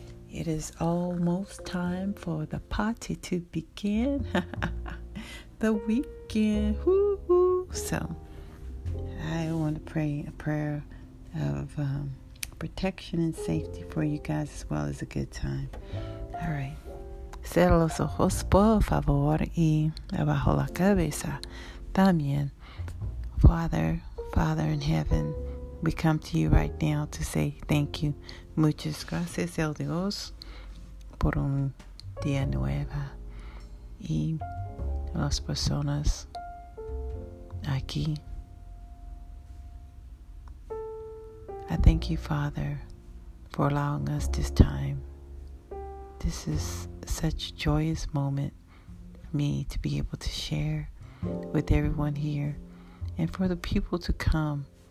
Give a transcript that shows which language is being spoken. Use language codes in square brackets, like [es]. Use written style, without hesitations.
[en] It is almost time for the party to begin. The weekend. Woo-hoo. So, I want to pray a prayer of protection and safety for you guys as well as a good time. All right. [es] Cierra los ojos, por favor, y abajo la cabeza. También. [en] Father in heaven, we come to you right now to say thank you. [es] Muchas gracias, el Dios. Por un día nueva y las personas aquí. [en] I thank you, Father, for allowing us this time. This is such a joyous moment for me to be able to share with everyone here and for the people to come.